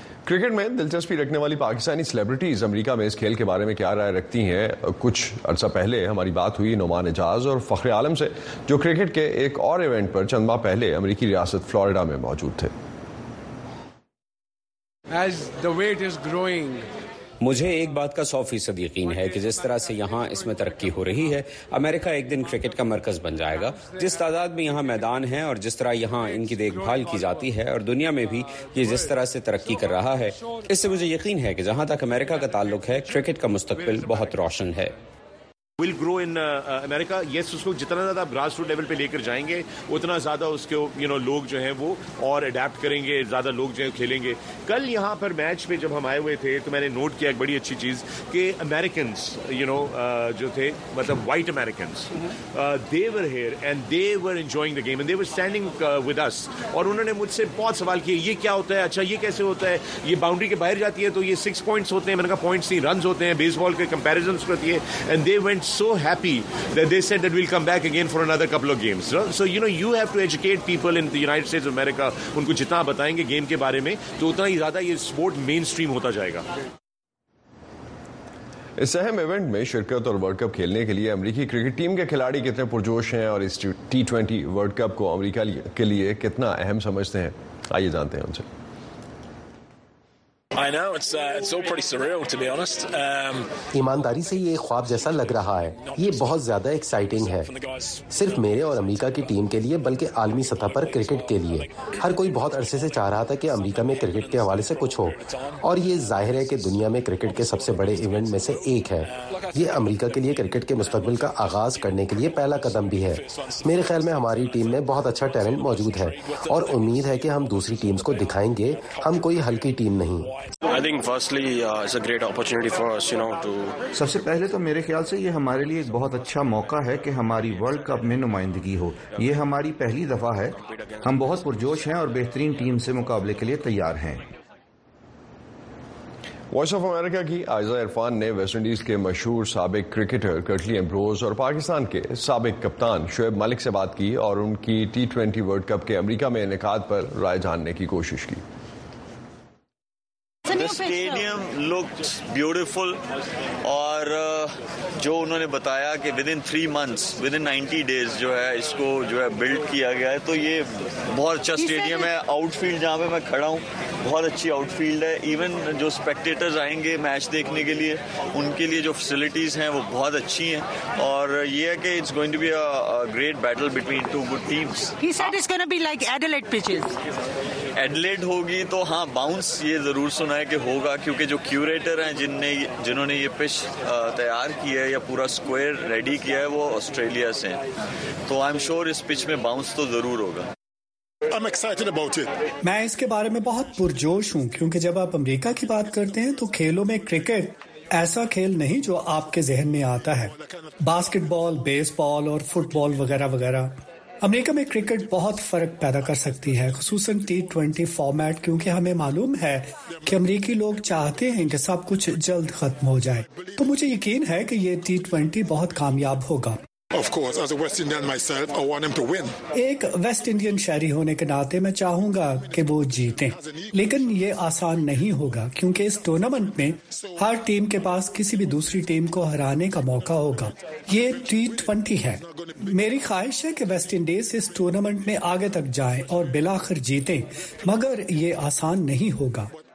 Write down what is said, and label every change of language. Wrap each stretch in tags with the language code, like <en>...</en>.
<ur>Cricket میں دلچسپی رکھنے والی پاکستانی سیلیبریٹیز امریکہ میں اس کھیل کے بارے میں کیا رائے رکھتی ہیں؟ کچھ عرصہ پہلے ہماری بات ہوئی نعمان اعجاز اور فخر عالم سے جو کرکٹ کے ایک اور ایونٹ پر چند ماہ پہلے امریکی ریاست فلوریڈا میں موجود تھے.</ur> <en>As the weight is growing.</en> <ur>مجھے ایک بات کا 100% یقین ہے کہ جس طرح سے یہاں اس میں ترقی ہو رہی ہے امریکہ ایک دن کرکٹ کا مرکز بن جائے گا. جس تعداد میں یہاں میدان ہیں اور جس طرح یہاں ان کی دیکھ بھال کی جاتی ہے اور دنیا میں بھی یہ جس طرح سے ترقی کر رہا ہے اس سے مجھے یقین ہے کہ جہاں تک امریکہ کا تعلق ہے کرکٹ کا مستقبل بہت روشن ہے.</ur> <en>will grow in America.</en> <ur>Yes, اس کو جتنا زیادہ گراس روٹ لیول پہ لے کر جائیں گے اتنا زیادہ اس کے لوگ جو ہیں وہ اور اڈیپٹ کریں گے, زیادہ لوگ جو ہیں کھیلیں گے. کل یہاں پر میچ پہ جب ہم آئے ہوئے تھے تو میں نے نوٹ کیا ایک بڑی اچھی چیز کہ امیریکنس جو تھے, مطلب white Americans,</ur> <en>they were here and they were enjoying the game and they were standing with us,</en> <ur>اور انہوں نے مجھ سے بہت سوال کیے یہ کیا ہوتا ہے, اچھا یہ کیسے ہوتا ہے, یہ باؤنڈری کے باہر جاتی ہے تو یہ سکس پوائنٹس ہوتے ہیں. میں نے کہا پوائنٹس نہیں رنز ہوتے ہیں, بیس بال کے کمپیرزن ہوتی ہے.</ur> <en>And they went so happy that they said that we'll come back again for another couple of games. So you know, you have to educate people in the United States of America.</en> <ur>Unko jitna batayenge game ke bare mein to utna hi zyada ye sport mainstream hota jayega. اس اہم event میں شرکت اور world cup کھیلنے کے لیے امریکی cricket team کے کھلاڑی کتنے پرجوش ہیں اور اس ٹی ٹوینٹی ورلڈ کپ کو امریکہ کے لیے کتنا اہم سمجھتے ہیں, آئیے جانتے ہیں ان سے.</ur> <en>I know it's all pretty surreal to be honest.</en> <ur>ایمانداری سے یہ ایک خواب جیسا لگ رہا ہے, یہ بہت زیادہ ایکسائٹنگ ہے صرف میرے اور امریکہ کی ٹیم کے لیے بلکہ عالمی سطح پر کرکٹ کے لیے. ہر کوئی بہت عرصے سے چاہ رہا تھا کہ امریکہ میں کرکٹ کے حوالے سے کچھ ہو, اور یہ ظاہر ہے کہ دنیا میں کرکٹ کے سب سے بڑے ایونٹ میں سے ایک ہے. یہ امریکہ کے لیے کرکٹ کے مستقبل کا آغاز کرنے کے لیے پہلا قدم بھی ہے. میرے خیال میں ہماری ٹیم میں بہت اچھا ٹیلنٹ موجود ہے اور امید ہے کہ ہم دوسری ٹیمز کو دکھائیں گے ہم کوئی ہلکی ٹیم نہیں.</ur> <en>I think firstly it's a great opportunity for us, to</en> <ur>سب سے پہلے تو میرے خیال سے یہ ہمارے لیے ایک بہت اچھا موقع ہے کہ ہماری ورلڈ کپ میں نمائندگی ہو. یہ ہماری پہلی دفعہ ہے, ہم بہت پرجوش ہیں اور بہترین ٹیم سے مقابلے کے لیے تیار ہیں. وائس آف امریکہ کی عائزہ عرفان نے ویسٹ انڈیز کے مشہور سابق کرکٹر کرٹلی ایمبروز اور پاکستان کے سابق کپتان شعیب ملک سے بات کی اور ان کی ٹی ٹوینٹی ورلڈ کپ کے امریکہ میں انعقاد پر رائے جاننے کی کوشش کی.</ur> <en>The stadium looked beautiful</en> <ur>اور جو انہوں نے بتایا کہ</ur> <en>within 3 months, within 90 days</en> <ur>جو ہے اس کو جو ہے بلڈ کیا گیا ہے, تو یہ بہت اچھا اسٹیڈیم ہے. آؤٹ فیلڈ جہاں پہ میں کھڑا ہوں بہت اچھی آؤٹ فیلڈ ہے. ایون جو اسپیکٹیٹرز آئیں گے میچ دیکھنے کے لیے ان کے لیے جو فیسلٹیز ہیں وہ بہت اچھی ہیں, اور یہ ہے کہ</ur> <en>It's going to be a great battle between two good teams. He said it's going to be like Adelaide pitches.</en> <ur>Adelaide ہوگی تو ہاں باؤنس یہ ضرور سنا ہے کہ ہوگا, کیونکہ جو کیوریٹر ہیں جنہوں نے یہ پچ تیار کی ہے یا پورا اسکوائر ریڈی کیا ہے وہ آسٹریلیا سے ہیں, تو</ur> <en>I am sure</en> <ur>اس pitch میں باؤنس تو ضرور ہوگا.</ur> <en>I'm excited about it.</en> <ur>میں اس کے بارے میں بہت پرجوش ہوں کیونکہ جب آپ امریکہ کی بات کرتے ہیں تو کھیلوں میں کرکٹ ایسا کھیل نہیں جو آپ کے ذہن میں آتا ہے, باسکٹ بال, بیس بال اور فٹ بال وغیرہ وغیرہ. امریکہ میں کرکٹ بہت فرق پیدا کر سکتی ہے, خصوصاً ٹی ٹوینٹی فارمیٹ, کیونکہ ہمیں معلوم ہے کہ امریکی لوگ چاہتے ہیں کہ سب کچھ جلد ختم ہو جائے, تو مجھے یقین ہے کہ یہ ٹی ٹوینٹی بہت کامیاب ہوگا.</ur> <en>Of course, as a West Indian myself, I want him to win.</en> <ur>ایک ویسٹ انڈین شہری ہونے کے ناطے میں چاہوں گا کہ وہ جیتیں, لیکن یہ آسان نہیں ہوگا کیونکہ اس ٹورنامنٹ میں ہر ٹیم کے پاس کسی بھی دوسری ٹیم کو ہرانے کا موقع ہوگا. یہ ٹی ٹوینٹی ہے, میری خواہش ہے کہ ویسٹ انڈیز اس ٹورنامنٹ میں آگے تک جائیں اور بالآخر جیتیں, مگر یہ آسان نہیں ہوگا.</ur>